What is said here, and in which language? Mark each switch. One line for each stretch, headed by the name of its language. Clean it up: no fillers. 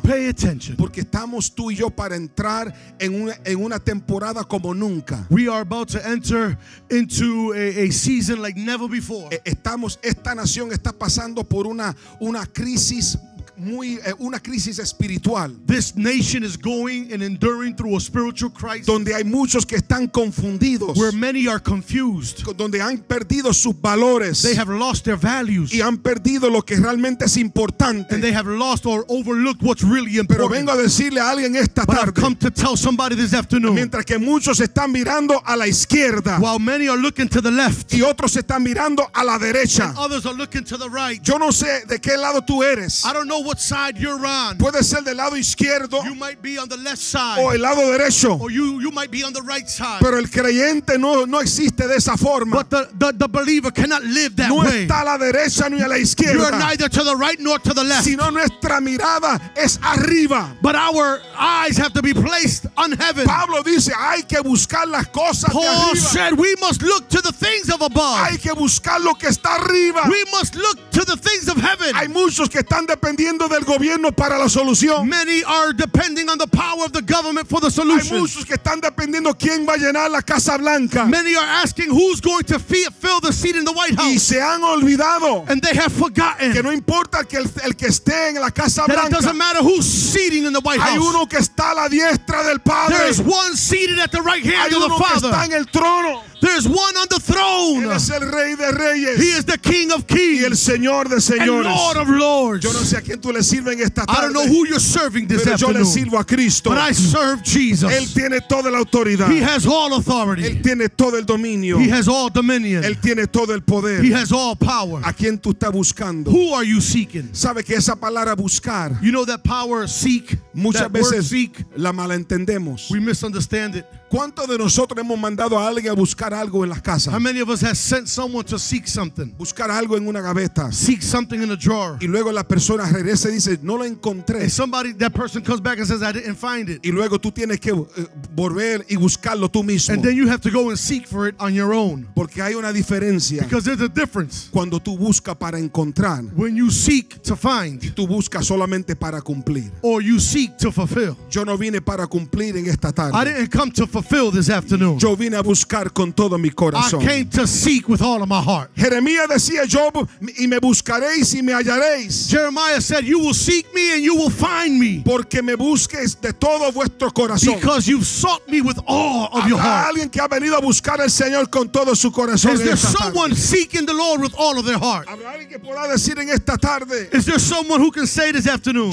English: Pay attention.
Spanish: Porque estamos tú y yo para entrar en una temporada como nunca.
English: We are about to enter into a season like never before.
Spanish: Estamos esta nación está pasando por una crisis muy, una crisis espiritual.
English: This nation is going and enduring through a spiritual crisis.
Spanish: Donde hay muchos que están confundidos.
English: Where many are confused.
Spanish: Donde han perdido sus valores.
English: They have lost their values.
Spanish: Y han perdido lo que realmente es importante.
English: And they have lost or overlooked what's really important.
Spanish: Pero vengo a decirle a alguien esta
English: but
Spanish: tarde.
English: I've come to tell somebody this afternoon.
Spanish: Mientras que muchos están mirando a la izquierda.
English: While many are looking to the left.
Spanish: Y otros están mirando a la derecha.
English: And others are looking to the right.
Spanish: Yo no sé de qué lado tú eres.
English: I don't know what side you're on.
Spanish: Puede ser del lado izquierdo.
English: You might be on the left side.
Spanish: O el lado derecho.
English: Or you might be on the right side.
Spanish: Pero el creyente no existe de esa forma.
English: But the believer cannot live that
Spanish: no
English: way.
Spanish: No está a la derecha ni a la izquierda.
English: You are neither to the right nor to the left.
Spanish: Sino nuestra mirada es arriba.
English: But our eyes have to be placed on heaven.
Spanish: Pablo dice hay que buscar las cosas
English: Paul
Spanish: de arriba.
English: Said we must look to the things of above.
Spanish: Hay que buscar lo que está arriba.
English: We must look to the things of heaven.
Spanish: Hay muchos que están dependiendo del gobierno para la solución.
English: Many are depending on the power of the government for the solution.
Spanish: Hay muchos que están dependiendo quién va a llenar la Casa Blanca.
English: Many are asking who's going to fill the seat in the White House.
Spanish: Y se han olvidado.
English: And they have forgotten.
Spanish: Que no importa el que esté en la Casa
English: that
Spanish: Blanca.
English: It doesn't matter who's seating in the White House.
Spanish: Hay uno que está a la diestra del Padre.
English: There is one seated at the right hand of the Father.
Spanish: Hay uno que está en el trono.
English: There's one on the throne.
Spanish: Él es el Rey de Reyes.
English: He is the King of Kings.
Spanish: Y el Señor de Señores.
English: And Lord of Lords.
Spanish: Yo no sé a quién tú le sirves en esta tarde.
English: I don't know who you're serving this
Spanish: pero
English: afternoon.
Spanish: Pero yo le sirvo a Cristo.
English: But I serve Jesus.
Spanish: Él tiene toda la autoridad.
English: He has all authority.
Spanish: Él tiene todo el dominio.
English: He has all dominion.
Spanish: Él tiene todo el poder.
English: He has all power.
Spanish: ¿A quién tú estás buscando?
English: Who are you seeking?
Spanish: ¿Sabe que esa palabra buscar?
English: You know that power seek.
Spanish: Muchas
English: that
Spanish: veces
English: word seek.
Spanish: La malentendemos.
English: We misunderstand it.
Spanish: ¿Cuántos de nosotros hemos mandado a alguien a buscar algo en las casas?
English: How many of us have sent someone to seek something?
Spanish: Buscar algo en una gaveta.
English: Seek something in a drawer.
Spanish: Y luego la persona regresa y dice, no lo encontré.
English: And somebody, that person comes back and says, I didn't find it.
Spanish: Y luego tú tienes que volver y buscarlo tú mismo.
English: And then you have to go and seek for it on your own.
Spanish: Porque hay una diferencia.
English: Because there's a difference.
Spanish: Cuando tú buscas para encontrar.
English: When you seek to find.
Spanish: Y tú buscas solamente para cumplir.
English: Or you seek to fulfill.
Spanish: Yo no vine para cumplir en esta tarde.
English: I didn't come to fulfill this afternoon.
Spanish: Yo vine a buscar con todo mi corazón.
English: I came to seek with all of my heart.
Spanish: Jeremías decía, Job, y me buscaréis y me hallaréis.
English: Jeremiah said, you will seek me and you will find me.
Spanish: Porque me busques de todo vuestro corazón.
English: Because you've sought me with all of your heart.
Spanish: Alguien que ha venido a buscar al Señor con todo su corazón.
English: Is there someone seeking the Lord with all of their heart?
Spanish: Alguien que pueda decir en esta tarde.
English: Is there someone who can say this afternoon?